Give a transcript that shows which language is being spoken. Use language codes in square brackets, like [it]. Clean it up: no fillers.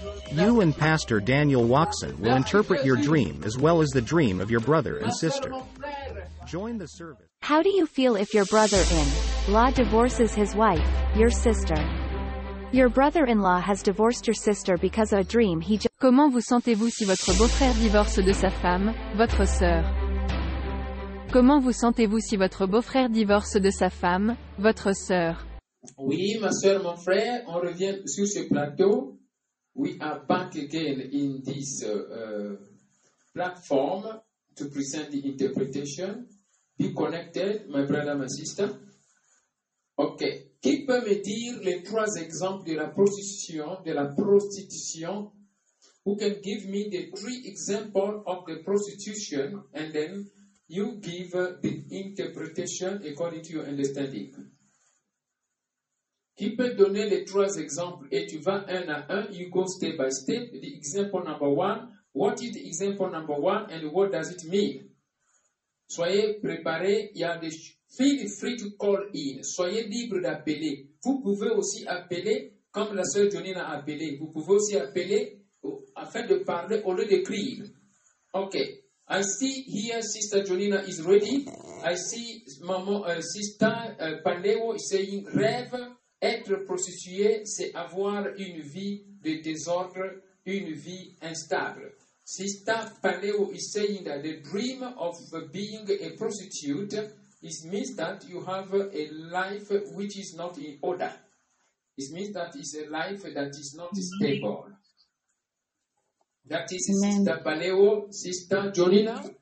[en] You and Pastor Daniel Watson will interpret your dream as well as the dream of your brother and sister. Join the service. How do you feel if your brother-in-law divorces his wife, your sister? Your brother-in-law has divorced your sister because of a dream he just... [fr] Comment vous sentez-vous si votre beau-frère divorce de sa femme, votre sœur? Comment vous sentez-vous si votre beau-frère divorce de sa femme, votre sœur? Oui, ma sœur, mon frère, on revient sur ce plateau. [en] We are back again in this platform to present the interpretation. Be connected, my brother, my sister. OK. [fr] Qui peut me dire les trois exemples de la prostitution, [en] Who can give me the three examples of the prostitution and then You give the interpretation according to your understanding. [fr] Qui peut donner les trois exemples et tu vas un à un, [en] you go step by step. The example number one, what is the example number one and what does it mean? [fr] Soyez préparés, il y a des [en] feel free to call in. [fr] Soyez libre d'appeler. Vous pouvez aussi appeler comme la sœur Jonine a appelé. Vous pouvez aussi appeler afin de parler au lieu d'écrire. Ok. [en] I see here Sister Jonina is ready. I see Maman, Sister Paleo saying [fr] rêve, être prostitué, c'est avoir une vie de désordre, une vie instable. [en] Sister Paleo is saying that the dream of being a prostitute is means that you have a life which is not in order. It means that it's a life that is not stable. That is Sister Paleo, Sister Jonina.